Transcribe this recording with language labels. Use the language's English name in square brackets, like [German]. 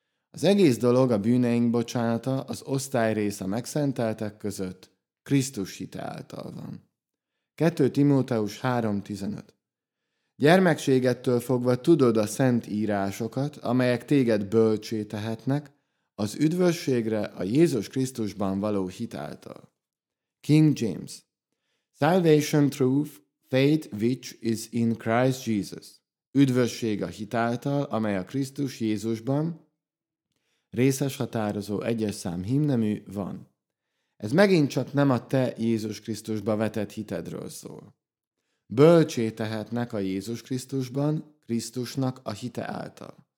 [Hungarian] Az egész dolog a bűneink bocsánata, az osztályrész a megszenteltek között Krisztus hite által van. 2 Timóteus 3.15 Gyermekségettől fogva tudod a szent írásokat, amelyek téged bölcsé tehetnek, az üdvösségre a Jézus Krisztusban való hit által. [English] King James Salvation through faith which is in Christ Jesus. [Hungarian] Üdvösség a hit által, amely a Krisztus Jézusban, részes határozó egyes szám himnemű, van. Ez megint csak nem a te Jézus Krisztusba vetett hitedről szól. Bölcsé tehetnek a Jézus Krisztusban, Krisztusnak a hite által.